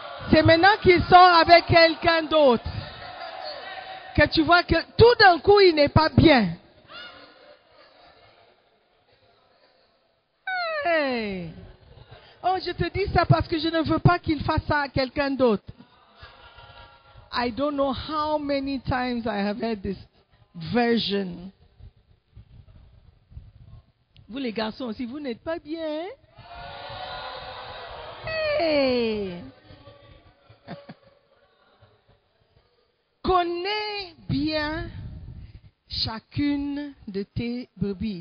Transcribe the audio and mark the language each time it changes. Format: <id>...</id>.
<fr>C'est maintenant qu'il sort avec quelqu'un d'autre que tu vois que tout d'un coup, il n'est pas bien. Oh, je te dis ça parce que je ne veux pas qu'il fasse ça à quelqu'un d'autre.</fr> <en>I don't know how many times I have heard this version.</en> <fr>Vous les garçons, si vous n'êtes pas bien, hey! Connais bien chacune de tes brebis.</fr>